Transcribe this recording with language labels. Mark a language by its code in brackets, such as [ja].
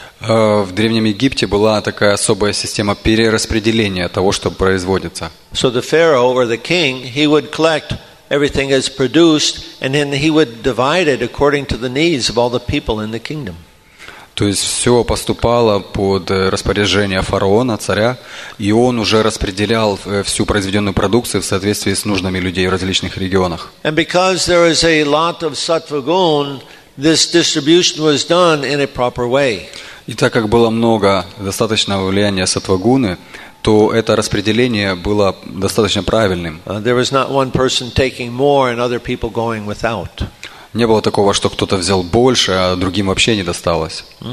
[ru] В Древнем Египте была такая особая система перераспределения того, что производится. [en] So the pharaoh or the king, he would collect everything as produced, and then he would divide it according to the needs of all the people in the kingdom. [ru] То есть все поступало под распоряжение фараона, царя, и он уже распределял всю произведенную продукцию в соответствии с нуждами людей в различных регионах. [en] And because there is a lot of sattva-gun, this distribution was done in a proper way. [ru] И так как было много достаточного влияния сатвагуны, то это распределение было достаточно правильным. [en] There was not one person taking more and other people going without. [ru] Не было такого, что кто-то взял больше, а другим вообще не досталось.